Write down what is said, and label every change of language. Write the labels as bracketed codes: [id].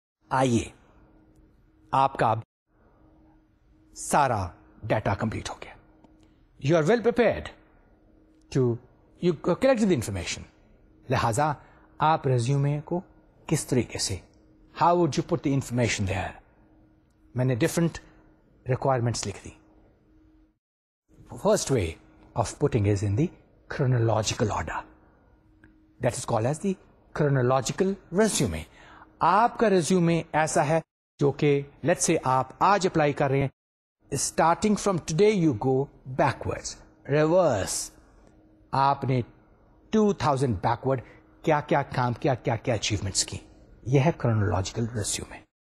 [ur] Aaiye, aapka ab sara data complete ho gaya, [en] you are well prepared to you collect the information, lehaza [ur] آپ resume کو کس طریقے سے, [en] How would you put the information there. [ur] میں نے different requirements لکھ دی. [en] First way of putting is in the chronological order, that is called as the chronological resume. [ur] آپ کا ریزیومے ایسا ہے جو کہ لیٹس سے آپ آج اپلائی کر رہے ہیں, [en] Starting from today you go backward reverse. [ur] آپ نے 2000 بیکورڈ کیا کیا کام کیا, کیا کیا اچیومنٹس کی, یہ ہے کرونولوجیکل ریزیومے.